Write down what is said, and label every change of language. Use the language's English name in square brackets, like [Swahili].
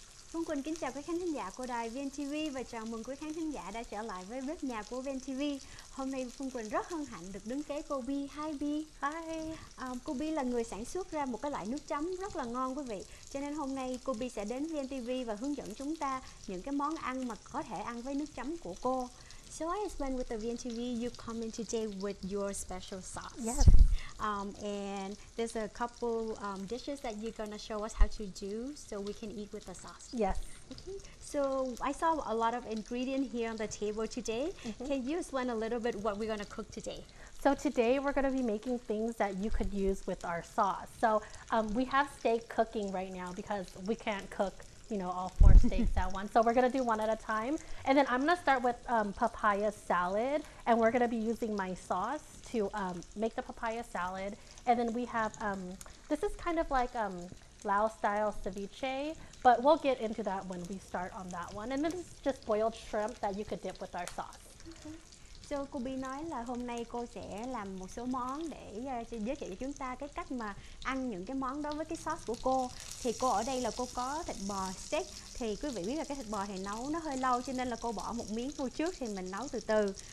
[Vietnamese] Phương Quỳnh kính chào quý khán thính giả của đài VNTV và chào mừng quý khán thính giả đã trở lại với bếp nhà của VNTV. Hôm nay Phương Quỳnh rất hân hạnh được đứng kế cô Bi. [English] Hi Bi. Hi. [Vietnamese] Cô Bi là người sản xuất ra một cái loại nước chấm rất là ngon quý vị. Cho nên hôm nay cô Bi sẽ đến VNTV và hướng dẫn chúng ta những cái món ăn mà có thể ăn với nước chấm của cô. [English] So I explained with the VNTV, you come in today with your special sauce. Yes. And there's a couple dishes that you're going to show us how to do so we can eat with the sauce. Yes. Okay. So I saw a lot of ingredients here on the table today. Mm-hmm. Can you explain a little bit what we're going to cook today? So today we're going to be making things that you could use with our sauce. So we have steak cooking right now because we can't cook, you know, all four steaks at once. So we're gonna do one at a time. And then I'm gonna start with papaya salad, and we're gonna be using my sauce to make the papaya salad. And then we have, this is kind of like Laos style ceviche, but we'll get into that when we start on that one. And then this is just boiled shrimp that you could dip with our sauce. [Vietnamese] So, cô Bi nói là hôm nay cô sẽ làm một số món để giới thiệu cho chúng ta cái cách mà ăn những cái món đó với cái sauce của cô. Thì cô ở đây là cô có thịt bò steak. Thì quý vị biết là cái thịt bò thì nấu nó hơi lâu cho nên là cô bỏ một miếng vô trước thì mình nấu từ từ.